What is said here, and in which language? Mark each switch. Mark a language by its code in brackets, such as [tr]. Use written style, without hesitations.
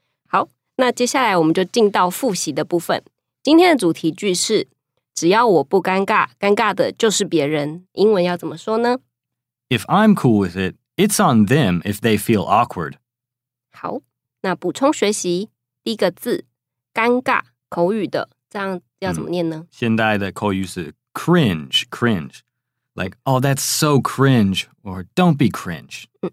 [zh] 好，那接下来我们就进到复习的部分。今天的主题句是：只要我不尴尬，尴尬的就是别人。英文要怎么说呢 [en] ？If I'm cool with it, it's on them if they feel awkward。 [zh] 好，那补充学习第一个字，尴尬，口语的，这样要怎么念呢？现代的口语是。 [en] Cringe, like, oh, that's so cringe, or don't be cringe.